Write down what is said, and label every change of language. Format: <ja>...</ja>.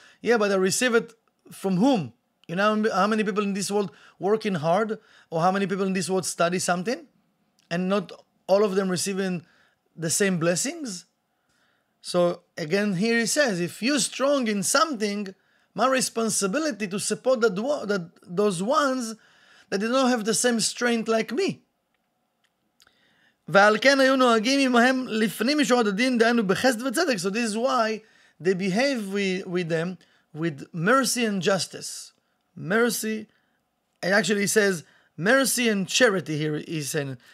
<en>Yeah, but I receive it from whom? You know how many people in this world working hard, or how many people in this world study something, and not all of them receiving the same blessings? So again, here he says, if you're strong in something, my responsibility to support those ones that do not have the same strength like me.</en> <he>ועל כן היו נוהגים עמהם לפנים משורת הדין דהיינו בחסד וצדק.</he> <en>So this is why they behave with them with mercy and justice. Mercy, it actually says mercy and charity here, he said.</en>